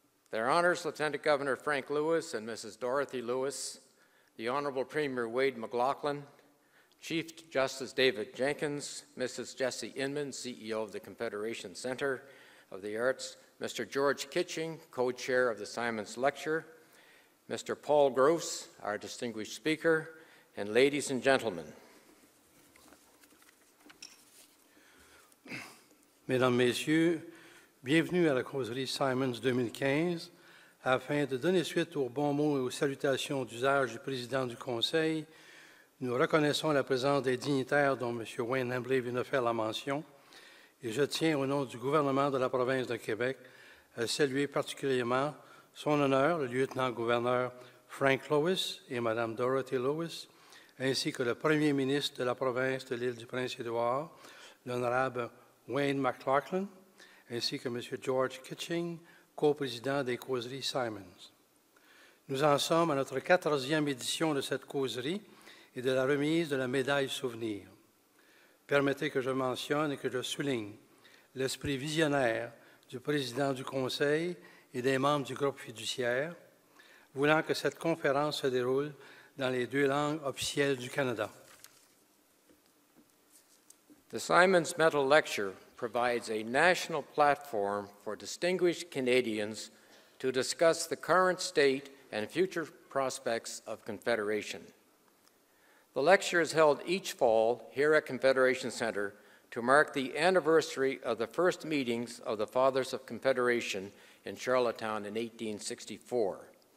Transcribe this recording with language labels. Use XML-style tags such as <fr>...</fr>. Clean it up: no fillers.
<en>Their Honours, Lieutenant Governor Frank Lewis and Mrs. Dorothy Lewis, the Honourable Premier Wade McLaughlin, Chief Justice David Jenkins, Mrs. Jessie Inman, CEO of the Confederation Centre of the Arts, Mr. George Kitching, Co-Chair of the Symons Lecture, Mr. Paul Gross, our distinguished speaker, and ladies and gentlemen,</en> <fr>Mesdames, Messieurs, bienvenue à la causerie Symons 2015, afin de donner suite aux bons mots et aux salutations d'usage du président du Conseil. Nous reconnaissons la présence des dignitaires dont M. Wayne Hambley vient de faire la mention, et je tiens, au nom du gouvernement de la province de Québec, à saluer particulièrement son honneur, le lieutenant-gouverneur Frank Lewis et Mme Dorothy Lewis, ainsi que le premier ministre de la province de l'Île-du-Prince-Édouard, l'honorable Wayne McLaughlin, ainsi que M. George Kitching, co-président des causeries Symons. Nous en sommes à notre 14e édition de cette causerie et de la remise de la médaille souvenir. Permettez que je mentionne et que je souligne l'esprit visionnaire du président du Conseil et des membres du groupe fiduciaire, voulant que cette conférence se déroule dans les deux langues officielles du Canada.</fr> <en>The Symons Medal Lecture provides a national platform for distinguished Canadians to discuss the current state and future prospects of Confederation. The lecture is held each fall here at Confederation Center to mark the anniversary of the first meetings of the Fathers of Confederation in Charlottetown in 1864.</en>